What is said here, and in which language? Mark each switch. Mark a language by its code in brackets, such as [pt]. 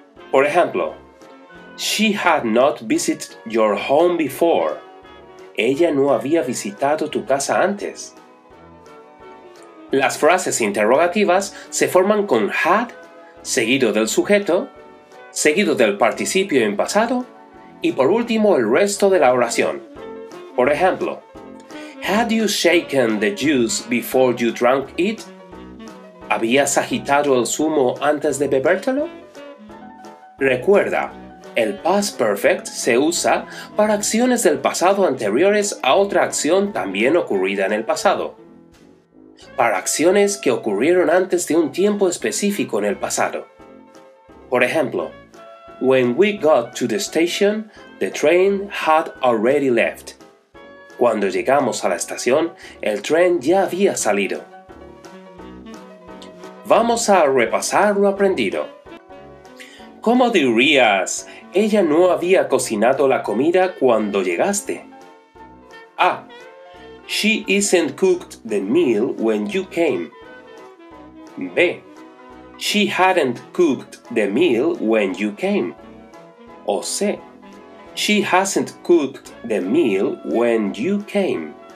[es] Por ejemplo, [en] she had not visited your home before. [es] Ella no había visitado tu casa antes. Las frases interrogativas se forman con had, seguido del sujeto, seguido del participio en pasado, y por último el resto de la oración. Por ejemplo, [en] had you shaken the juice before you drank it? [es] ¿Habías agitado el zumo antes de bebértelo? Recuerda, el past perfect se usa para acciones del pasado anteriores a otra acción también ocurrida en el pasado. Para acciones que ocurrieron antes de un tiempo específico en el pasado. Por ejemplo, [en] when we got to the station, the train had already left. [es] Cuando llegamos a la estación, el tren ya había salido. Vamos a repasar lo aprendido. ¿Cómo dirías? Ella no había cocinado la comida cuando llegaste. A. [en] She isn't cooked the meal when you came. B. She hadn't cooked the meal when you came. [es] O C. [en] She hasn't cooked the meal when you came.